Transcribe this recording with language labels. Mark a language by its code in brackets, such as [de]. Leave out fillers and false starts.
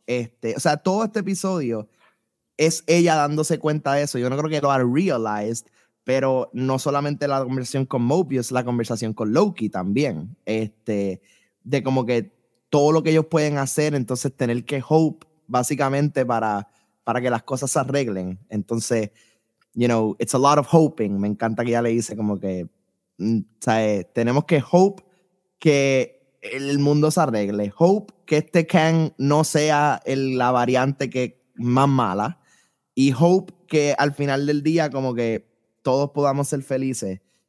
[es] O sea, todo este episodio es ella dándose cuenta de eso. Yo no creo que lo ha realized, pero no solamente la conversación con Mobius, la conversación con Loki también. De como que todo lo que ellos pueden hacer, entonces tener que hope, básicamente, para que las cosas se arreglen. Entonces, [en] you know, it's a lot of hoping. [es] Me encanta que ya le dice como que, ¿sabes? Tenemos que hope que el mundo se arregle. Hope que este Kang no sea la variante que más mala. Y hope que al final del día como que todos podamos ser felices.